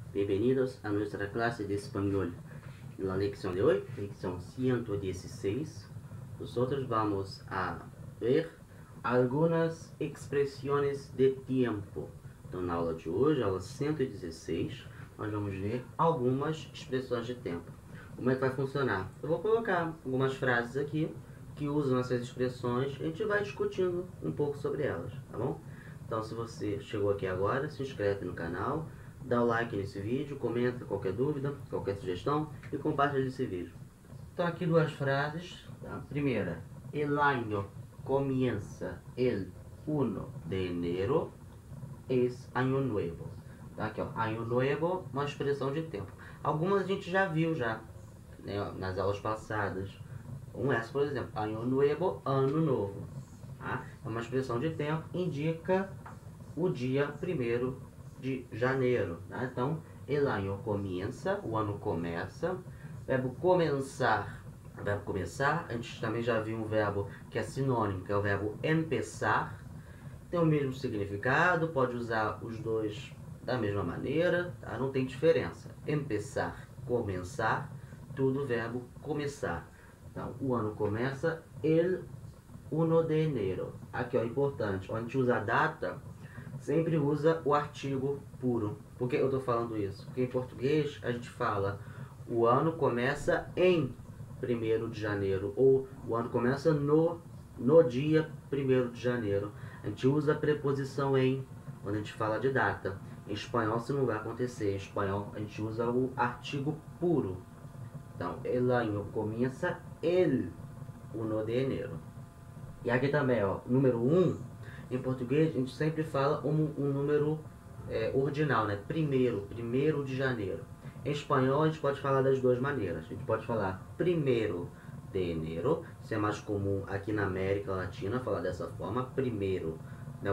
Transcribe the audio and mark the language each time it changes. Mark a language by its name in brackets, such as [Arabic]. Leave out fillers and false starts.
[Spanish] Bienvenidos a nuestra clase de español. La lección de hoy, lección 116, nosotros vamos a ver algunas expresiones de tiempo. [Portuguese] Então, na aula de hoje, aula 116, nós vamos ver algumas expressões de tempo. Como é que vai funcionar? Eu vou colocar algumas frases aqui que usam essas expressões e a gente vai discutindo um pouco sobre elas, tá bom? Então, se você chegou aqui agora, se inscreve no canal, dá o like nesse vídeo, comenta qualquer dúvida, qualquer sugestão e compartilha esse vídeo. Então, aqui duas frases. A primeira, [Spanish] el año comienza el 1 de enero, es año nuevo. [Portuguese] Tá aqui, ó, año nuevo, uma expressão de tempo. Algumas a gente já viu já, né, nas aulas passadas. Um S, por exemplo, año nuevo, ano novo. É uma expressão de tempo, indica o dia 1º de janeiro. Tá? Então, [Spanish] el año comienza, [Portuguese] o ano começa. Verbo começar, verbo começar. A gente também já viu um verbo que é sinônimo, que é o verbo empezar. Tem o mesmo significado, pode usar os dois da mesma maneira, tá? Não tem diferença. Empezar, começar, tudo verbo começar. Então, o ano começa, [Spanish] el 1 de enero. [Portuguese] Aqui, ó, importante. Quando a gente usa a data, sempre usa o artigo puro. Por que eu estou falando isso? Porque em português a gente fala o ano começa em 1º de janeiro. Ou o ano começa no dia 1º de janeiro. A gente usa a preposição em quando a gente fala de data. Em espanhol isso não vai acontecer. Em espanhol a gente usa o artigo puro. Então, [Spanish] el año comienza el 1 de enero. [Portuguese] E aqui também, ó, número 1, em português a gente sempre fala um número ordinal, né? Primeiro de janeiro. Em espanhol a gente pode falar das duas maneiras. A gente pode falar [Spanish] 1º de enero, [Portuguese] isso é mais comum aqui na América Latina falar dessa forma, primeiro, né?